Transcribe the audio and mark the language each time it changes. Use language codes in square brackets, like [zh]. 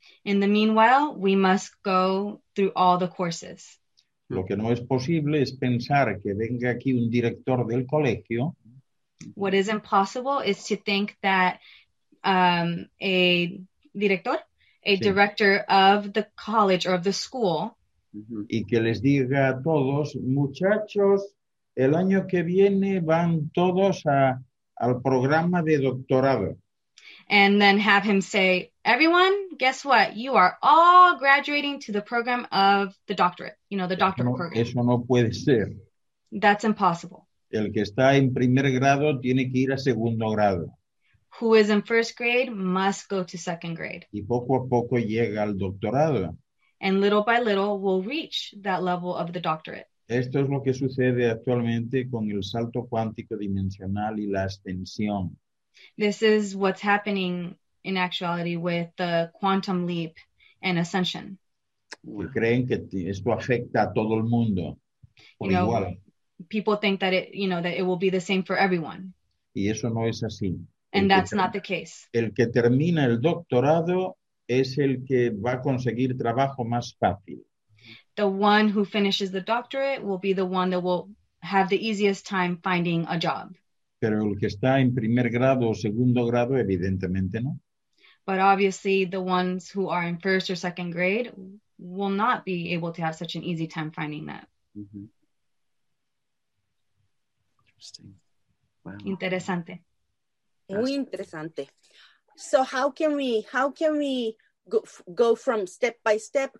[en] In the meanwhile, we must go through all the courses. [es] Lo que no es posible es pensar que venga aquí un director del colegio. [en] What is impossible is to think that a director of the college or of the school. [es] Y que les diga a todos, muchachos, el año que viene van todos al programa de doctorado. [en] And then have him say, everyone, guess what? You are all graduating to the program of the doctorate, you know, the doctorate program. [es] Eso no puede ser. [en] That's impossible. [es] El que está en primer grado tiene que ir a segundo grado. [en] Who is in first grade must go to second grade. [es] Y poco a poco llega al doctorado. [en] And little by little will reach that level of the doctorate. [es] Esto es lo que sucede actualmente con el salto cuántico dimensional y la ascensión. [en] This is what's happening in actuality with the quantum leap and ascension. [es] Que creen que esto afecta a todo el mundo por [en] you know, [es] igual. [en] People think that it, you know, that it will be the same for everyone. [es] Y eso no es así. [en] And that's not the case. [es] El que termina el doctorado es el que va a conseguir trabajo más fácil. [en] The one who finishes the doctorate will be the one that will have the easiest time finding a job. [es] Pero el que está en primer grado o segundo grado, evidentemente no. [en] But obviously the ones who are in first or second grade will not be able to have such an easy time finding that. Mm-hmm. Interesting. Wow. [es] Interesante. Muy interesante. [en] So how can we go from step by step?